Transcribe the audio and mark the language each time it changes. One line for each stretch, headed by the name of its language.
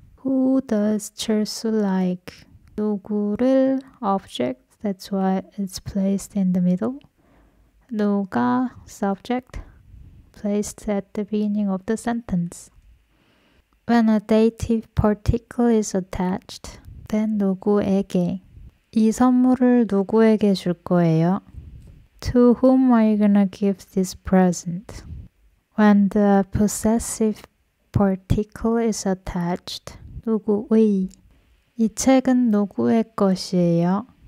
English: Who does 철수 like? 누구를 object, that's why it's placed in the middle. 누가 subject, placed at the beginning of the sentence. When a dative particle is attached, then 누구에게?
Korean: 이 선물을 누구에게 줄 거예요?
English: To whom are you gonna give this present? When the possessive particle is attached,
Korean: 누구의? 이 책은 누구의 것이에요?